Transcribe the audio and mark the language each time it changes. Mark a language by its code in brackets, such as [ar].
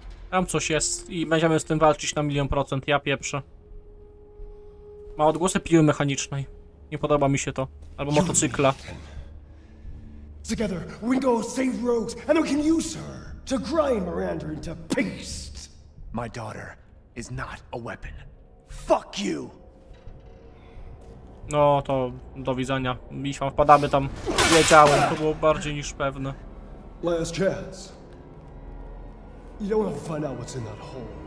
[pl] Tam coś jest i będziemy z tym walczyć na 1000%, ja pieprzę. Ma odgłosy piły mechanicznej. Nie podoba mi się to. Albo motocykla. [en] Together, we go save Rose, and we can use her to grind Miranda into paste. My daughter is not a weapon. Fuck you! [pl] No, to do widzenia. Miśmy, wpadamy tam. Wiedziałem, to było bardziej niż pewne. [en] Last chance. You don't have to find out what's in that hole.